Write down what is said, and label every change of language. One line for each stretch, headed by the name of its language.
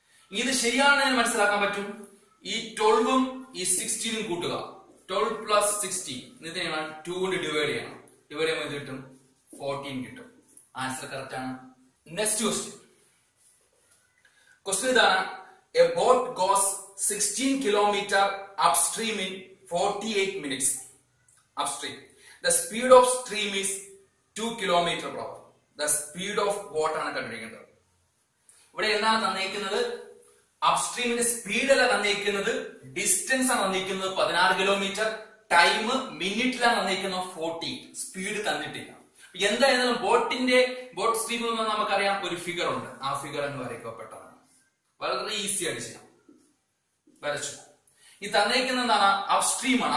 Malayalam: ഇനി ഇത് ശരിയാണെന്ന് ഞാൻ മനസ്സിലാക്കാൻ പറ്റും. ഈ 12 ഈ 16 കൂട്ടുക. 12 + 16 ഇതിനെ 2 കൊണ്ട് ഡിവൈഡ് ചെയ്യണം. ഡിവൈഡ് ചെയ്യുമ്പോൾ ഇത് കിട്ടും 14 കിട്ടും. ആൻസർ കറക്റ്റ് ആണ്.
English: next question, question
Malayalam: ഇതാണ്.
English: A boat goes 16 km upstream in 48 minutes. Upstream. The speed of stream is 2 km/h. The speed of boat
Malayalam: ആണ് കണ്ടിരിക്കേണ്ടത്. ഇവിടെ എന്താണ് തന്നിരിക്കുന്നത്? അപ്സ്ട്രീമിന്റെ സ്പീഡ് അല്ല തന്നിരിക്കുന്നത്, ഡിസ്റ്റൻസ് ആണ് തന്നിരിക്കുന്നത്, 16 km. ടൈം മിനിറ്റിലാണ് തന്നിരിക്കുന്നത്, 40. സ്പീഡ് തന്നിട്ടില്ല. എന്തായിരുന്നാലും ബോട്ടിന്റെ ബോട്ട് സ്ട്രീം എന്ന് പറഞ്ഞാൽ നമുക്കറിയാം ഒരു ഫിഗർ ഉണ്ട്. ആ ഫിഗർ എന്ന് വരയ്ക്കപ്പെട്ടത് വളരെ ഈസി ആയിട്ട് ചെയ്യാം. വരച്ചു. ഈ തന്നേക്കുന്ന എന്താണ്? അപ്സ്ട്രീം ആണ്.